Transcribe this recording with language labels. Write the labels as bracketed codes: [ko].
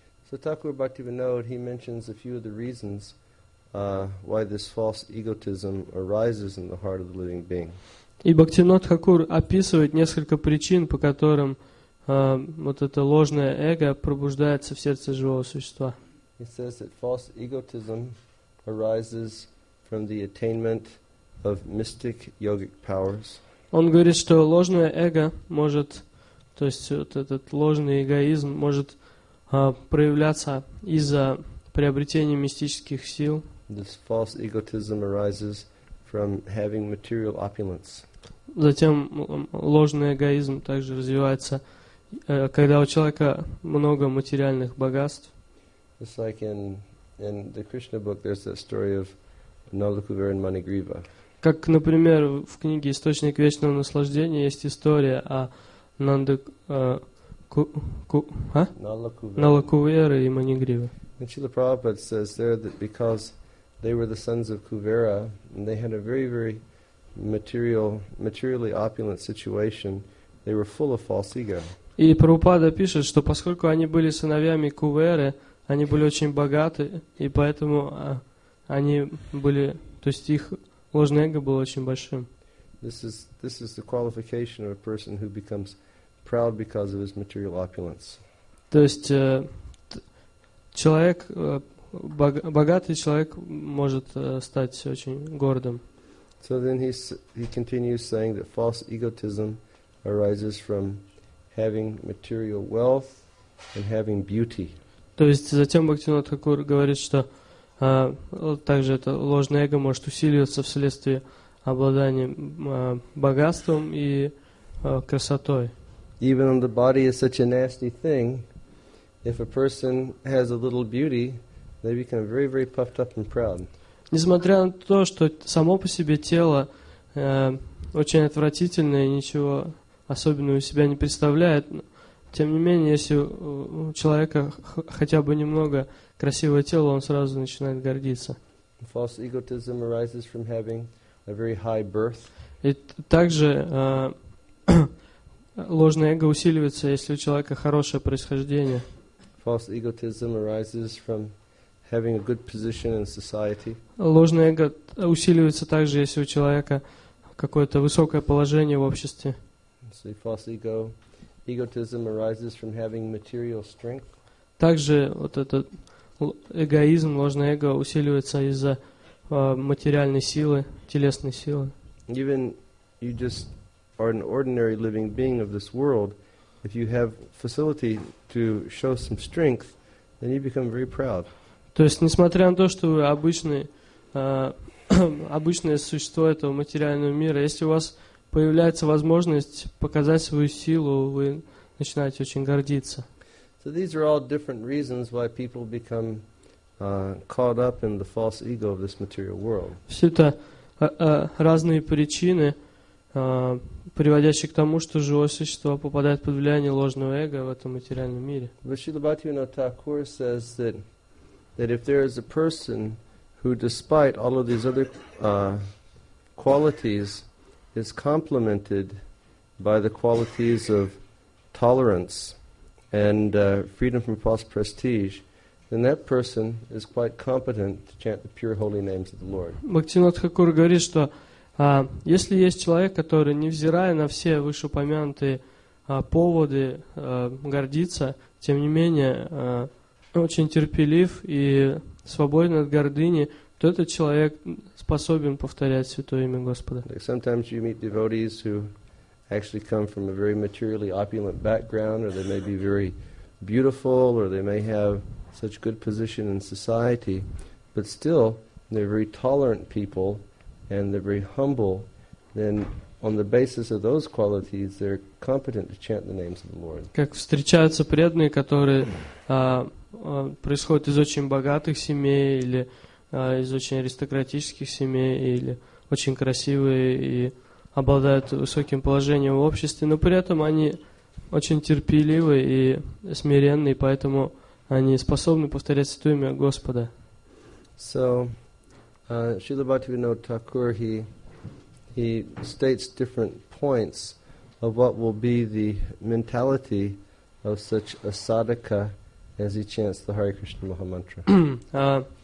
[en] So Thakur Bhaktivinoda, he mentions a few of the reasons why this false egotism arises in the heart of the living being. [ru] И Бхактивинод Хакур описывает несколько причин, по которым вот это ложное эго пробуждается в сердце живого существа. [en] He says that false egotism arises from the attainment of mystic yogic powers. [ru] Он говорит, что ложное эго может, то есть вот этот ложный эгоизм может проявляться из-за приобретения мистических сил. [en] This false egotism arises from having material opulence. [ru] Затем ложный эгоизм также развивается, когда у человека много материальных богатств. [en] It's like in the Krishna book, there's that story of Nalakuvera and Manigriva. [ru] Как, например, в книге «Источник вечного наслаждения» есть история о Нала Кувера и Манигриве. [en] And Srila Prabhupada says there that because they were the sons of Kuvera and they had a very, very materially opulent situation, they were full of false ego. [ru] И Прабхупада пишет, что поскольку они были сыновьями Куверы, они были очень богаты, и поэтому они были, то есть их ложное эго было очень большим. [en] This is the qualification of a person who becomes proud because of his material opulence. [ru] То есть человек, богатый человек может стать очень гордым. [en] So then he continues saying that false egotism arises from having material wealth and having beauty. [ru] То есть затем Бхактивинод Хакур говорит, что также это ложное эго может усиливаться вследствие обладания богатством и красотой. [en] Even though the body is such a nasty thing, if a person has a little beauty, they become very, very puffed up and proud. [ru] Несмотря на то, что само по себе тело очень отвратительное и ничего особенного из себя не представляет. Тем не менее, если у человека хотя бы немного красивое тело, он сразу начинает гордиться. [en] False egotism arises from having a very high birth. [ru] И также ложное эго усиливается, если у человека хорошее происхождение. [en] False egotism arises from having a good position in society. [ru] Ложное эго усиливается также, если у человека какое-то высокое положение в обществе. [en] See, false ego. Egotism arises from having material strength. [ru] Также вот этот эгоизм, ложное эго усиливается из-за материальной силы, телесной силы. [en] Even you just are an ordinary living being of this world, if you have facility to show some strength, then you become very proud. [ru] То есть, несмотря на то, что вы обычное существо этого материального мира, если у вас появляется возможность показать свою силу, вы начинаете очень гордиться. [en] So these are all different reasons why people become caught up in the false ego of this material world. [ru] Все это разные причины, приводящие к тому, что живое существо попадает под влияние ложного эго в этом материальном мире. [en] But Srila Bhaktivinoda Thakur says that if there is a person who, despite all of these other qualities, is complemented by the qualities of tolerance and freedom from false prestige, then that person is quite competent to chant the pure holy names of the Lord. [ru] Бхактинат Хакур говорит, что если есть человек, который, невзирая на все вышеупомянутые поводы, гордится, тем не менее очень терпелив и свободен от гордыни, то этот человек способен повторять святое имя Господа. [en] Like sometimes you meet devotees who actually come from a very materially opulent background, or they may be very beautiful, or they may have such good position in society, but still they're very tolerant people and they're very humble. Then on the basis of those qualities, they're competent to chant the names of the Lord. [ru] Как встречаются преданные, которые происходят из очень богатых семей или из очень аристократических семей, или очень красивые и обладают высоким положением в обществе, но при этом они очень терпеливы и смиренны, и поэтому они способны повторять святое имя Господа. [en] So, Srila Bhaktivinoda Thakur, he states different points of what will be the mentality of such a sadhaka as he chants the Hare Krishna Maha Mantra.